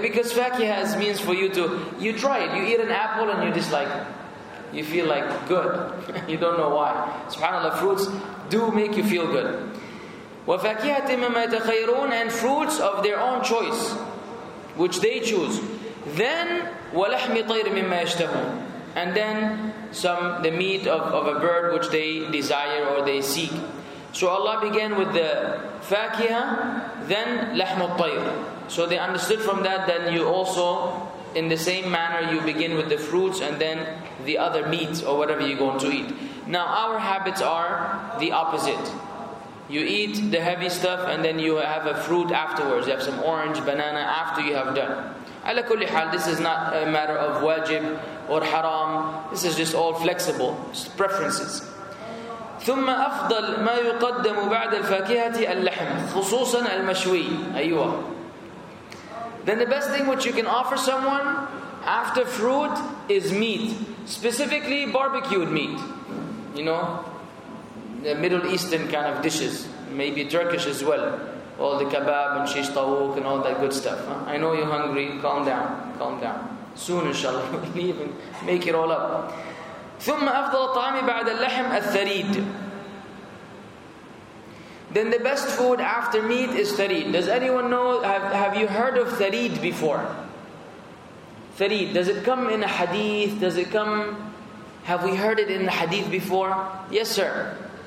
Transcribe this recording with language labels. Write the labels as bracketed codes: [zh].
[en] Because fakiha means for you to, you try it, you eat an apple and you dislike it. You feel like good. You don't know why. SubhanAllah, fruits do make you feel good. [ar] وَفَاكِهَةٍ مَّمَّا يَتَخَيْرُونَ. [en] And fruits of their own choice, which they choose. Then, [ar] وَلَحْمِ طَيْرٍ مِّمَّا يَشْتَهُونَ. [en] And then, the meat of a bird which they desire or they seek. So Allah began with the fakiha, then [ar] لَحْمُ الطَّيْرِ. [en] So they understood from that, then you also, in the same manner, you begin with the fruits and then the other meat or whatever you're going to eat. Now, our habits are the opposite. You eat the heavy stuff and then you have a fruit afterwards. You have some orange, banana after you have done. [ar] Ala kulli hal, [en] this is not a matter of wajib or haram. This is just all flexible. Just preferences. [ar] ثم أفضل ما يقدم بعد الفاكهة اللحم خصوصا المشوي. أيوة. [en] Then the best thing which you can offer someone after fruit is meat, specifically barbecued meat. You know, the Middle Eastern kind of dishes, maybe Turkish as well. All the kebab and shish tavuk and all that good stuff. I know you're hungry. Calm down. Calm down. Soon, inshallah, we can even make it all up. [ar] ثم أفضل طعام بعد اللحم الثريد. [en] Then the best food after meat is ثريد. Does anyone know? Have you heard of ثريد before? ثريد. Does it come in a hadith? Does it come? Have we heard it in a hadith before? Yes, sir.